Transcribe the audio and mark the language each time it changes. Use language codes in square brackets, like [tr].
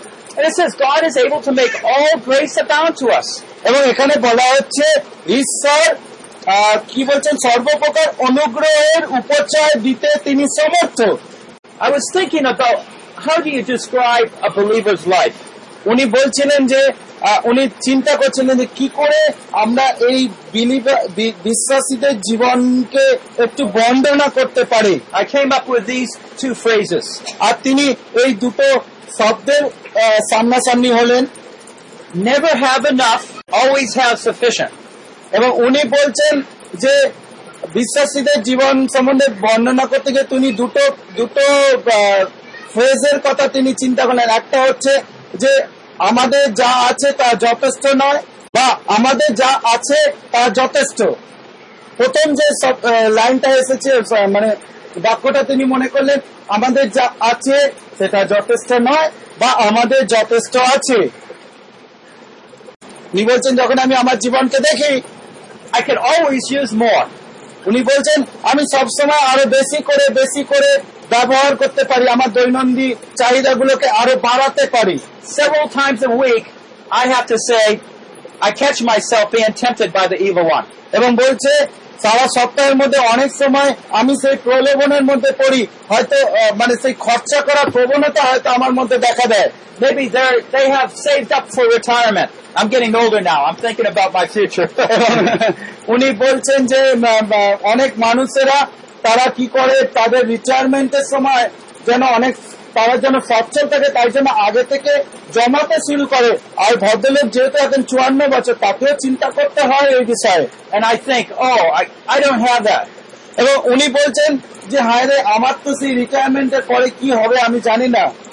[en] And it says God is able to make all grace abound to us. [bn] এবং এখানে বলা হচ্ছে ঈশ্বর কি বলছেন, সর্বপ্রকার অনুগ্রহের উপচয় দিতে তিনি সমর্থ. [en] I was thinking about how do you describe a believer's life? [bn] উনি বলছিলেন যে উনি চিন্তা করছিলেন যে কি করে আমরা এই বিশ্বাসীদের জীবনকে একটু বর্ণনা করতে পারি. [en] I came up with these two phrases. [bn] আর তিনি এই দুটো শব্দের সামনাসামনি হলেন, [en] never have enough, always have sufficient. [bn] এবং উনি বলছেন যে বিশ্বাসীদের জীবন সম্বন্ধে বর্ণনা করতে গিয়ে তিনি দুটো দুটো ফ্রেজের কথা তিনি চিন্তা করলেন. একটা হচ্ছে যে আমাদের যা আছে তা যথেষ্ট নয় বা আমাদের যা আছে তা যথেষ্ট. প্রথম যে লাইনটা এসেছে মানে বাক্যটা তিনি মনে করলেন, আমাদের যা আছে সেটা যথেষ্ট নয় বা আমাদের যথেষ্ট আছে. উনি বলছেন যখন আমি আমার জীবনকে দেখি, [en] I can always use more. [bn] উনি বলছেন আমি সবসময় আরো বেশি করে ব্যবহার করতে পারি, আমার দৈনন্দিন চাহিদা গুলোকে আরো বাড়াতে পারি. [en] Several times a week I have to say I catch myself being tempted by the evil one. [bn] এবং বলছে সারা সপ্তাহের মধ্যে অনেক সময় আমি সেই প্রলোভনের মধ্যে পড়ি, হয়তো মানে সেই খরচা করার প্রবণতা হয়তো আমার মধ্যে দেখা দেয়. [en] Maybe they have saved up for retirement. I'm getting older now. I'm thinking about my future. [bn] উনি বলছেন যে অনেক মানুষেরা তারা কি করে তাদের রিটায়ারমেন্টের সময় যেন অনেক তারা যেন সচ্ছল থাকে তাই জন্য আগে থেকে জমাতে শুরু করে. আর ভদ্রলোক যেহেতু এখন 54 বছর তাকেও চিন্তা করতে হয় এই বিষয়ে. [en] And I think, oh, I don't have that. [bn] এবং উনি বলছেন যে হায় রে আমার তো সেই রিটায়ারমেন্ট এর পরে কি হবে আমি জানি না.